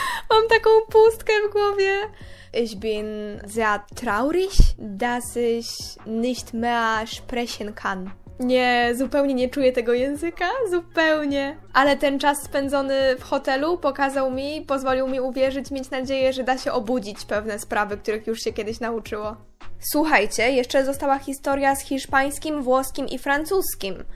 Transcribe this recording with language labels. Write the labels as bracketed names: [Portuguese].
[Polish] Mam taką pustkę w głowie. [German] Ich bin sehr traurig, dass ich nicht mehr sprechen kann. [Polish] Nie, zupełnie nie czuję tego języka, zupełnie. Ale ten czas spędzony w hotelu pokazał mi, pozwolił mi uwierzyć, mieć nadzieję, że da się obudzić pewne sprawy, których już się kiedyś nauczyło. Słuchajcie, jeszcze została historia z hiszpańskim, włoskim i francuskim.